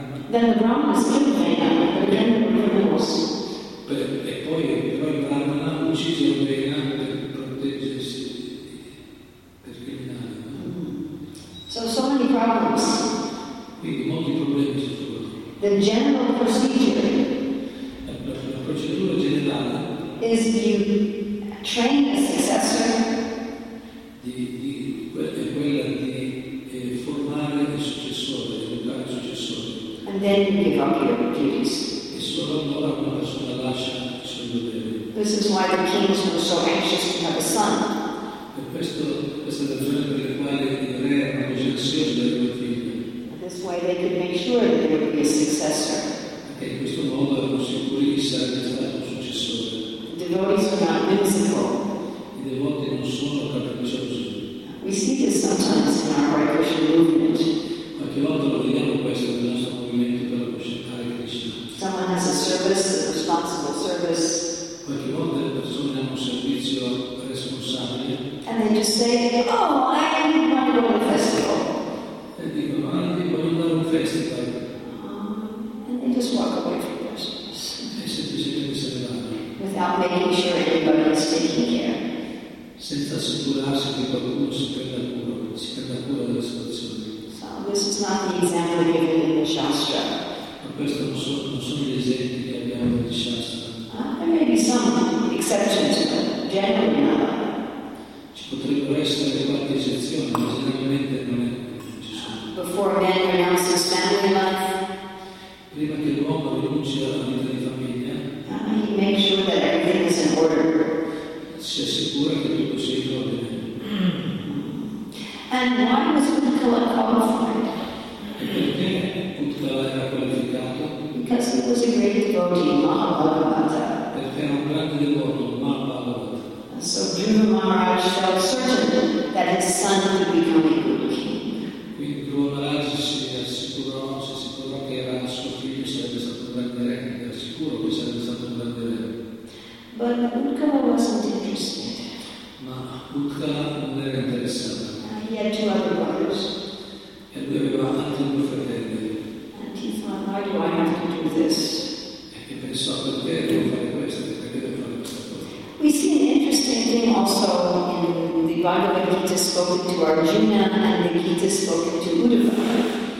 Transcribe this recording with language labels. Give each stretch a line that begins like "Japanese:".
English: Then the Brahmins killed Vena, but again the criminals.
Italian: E poi però il Brahmana uccise Vena per proteggersi per criminale.
English: So many problems.
Italian: Quindi molti problemi si
English: The general procedure.
Italian: La procedura generale.
English: Is you train a successor.
Italian: È quella di formare il successore, educare il successore.
English: And then you give up your duties.
Italian: E solo allora una persona lascia il suo dovere.
English: This is why the kings were so anxious to have a son.
Italian: E questa è la ragione per la quale il re era così ansioso di avere un figlio.
English: And this way they could make sure that there would be a successor.
Italian: E in questo modo erano sicuri che sarebbe stato un successore.
English: The devotees were not whimsical.
Italian: I devoti non sono capricciosi.
English: We see this sometimes in our Hare Krishna movement.
Italian: Qualche volta lo vediamo questo nel nostro movimento per Hare Krishna.
English: Someone has a service, a responsible service.
Italian: Qualche volta le persone hanno un servizio responsabile.
English: And they just say, oh, I want to go to a festival.
Italian: E dicono, ah, io voglio andare a un festival.
English: And they just walk away from their service.
Italian: E semplicemente se ne vanno.
English: Without making sure anybody is taking care.
Italian: Senza assicurarsi che qualcuno si prenda cura della situazione.
English: So this is not the example given in the Shastra.
Italian: Ma questo non sono gli esempi che abbiamo nel Shastra.
English: There may be some exceptions, but generally not.
Italian: Ci potrebbero essere qualche eccezione, ma generalmente non è necessario.
English: Before man renounces family life.
Italian: Prima che l'uomo rinuncia alla vita di famiglia.
English: He makes sure that everything is in order.
Italian: Si assicura che tutto sia in ordine.
English: And why was Utkala qualified?
Italian: Perché Utkala era qualificato?
English: Because he was a great devotee, Mahabharata.
Italian: Perché era un grande devoto, Mahabharata.
English: So Guru Maharaj felt certain that his son would become a guru.
Italian: Quindi Guru Maharaj si assicurò che era suo figlio sarebbe stato un grande re, era sicuro che sarebbe stato un grande re.
English: But Utkala wasn't interested.
Italian: Ma Utkala non era interessato.
English: He had two other brothers.
Italian: E lui aveva altri due fratelli.
English: And he thought, why do I have to do this?
Italian: E pensò, perché devo fare questo? Perché devo fare questo?
English: We see an interesting thing also in the Bhagavad Gita spoken to Arjuna and the Gita spoken to Uddhava.